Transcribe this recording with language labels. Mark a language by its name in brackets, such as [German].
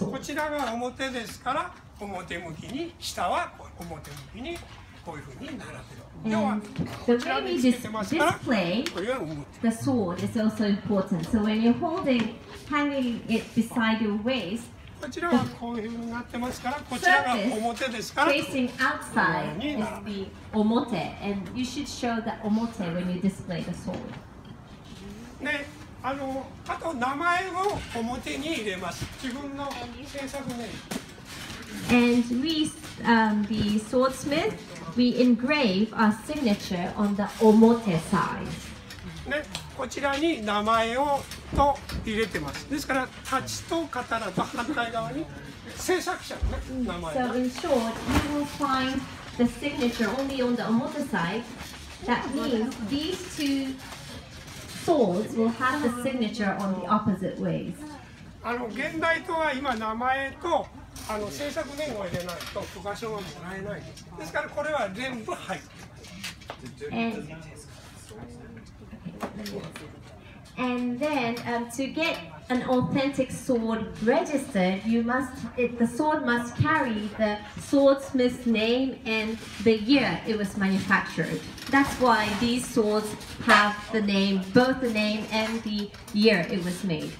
[English] having [Japanese] ね、こちらが表ですから表向きに下は表向きにこういうふうに並べる。要はこちらにつけてますから、これは表。 [English] The sword is also important. So when you're holding, hanging it beside your waist, [Japanese] こちらはこういうふうになってますから、こちらが表ですから、 [English] facing outside is the 表, and you should show the 表 when you display the sword. [Japanese] ね。あと名前を表に入れます。自分の制作名。 [English] And we, the swordsmith, we engrave our signature on the 表 side. [Japanese] ね、こちらに名前をと入れてます。ですから、太刀と刀と反対側に制作者の、ね、名前。 [English] So in short, you will find the signature only on the 表 side. That means these two. Swords will have the signature on the opposite ways. [Japanese] 現代刀は今名前と製作年号を入れないと許可証がもらえないです。ですからこれは全部入っています。 [English] And then to get an authentic sword registered, the sword must carry the swordsmith's name and the year it was manufactured. That's why these swords have the name, both the name and the year it was made.